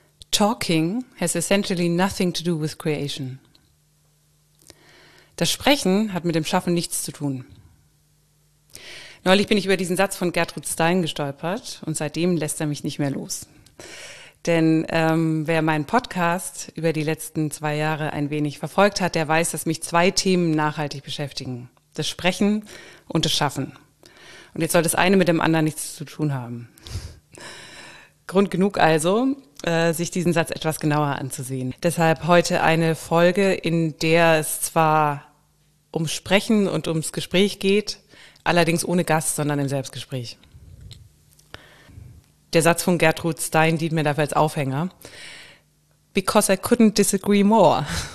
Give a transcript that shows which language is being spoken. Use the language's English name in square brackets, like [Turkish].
[English] Talking has essentially nothing to do with creation. [German] Das Sprechen hat mit dem Schaffen nichts zu tun. Neulich bin ich über diesen Satz von Gertrud Stein gestolpert und seitdem lässt er mich nicht mehr los. Denn wer meinen Podcast über die letzten 2 Jahre ein wenig verfolgt hat, der weiß, dass mich 2 Themen nachhaltig beschäftigen. Das Sprechen und das Schaffen. Und jetzt soll das eine mit dem anderen nichts zu tun haben. Grund genug also, sich diesen Satz etwas genauer anzusehen. Deshalb heute eine Folge, in der es zwar ums Sprechen und ums Gespräch geht, allerdings ohne Gast, sondern im Selbstgespräch. Der Satz von Gertrud Stein dient mir dafür als Aufhänger. [English] Because I couldn't disagree more.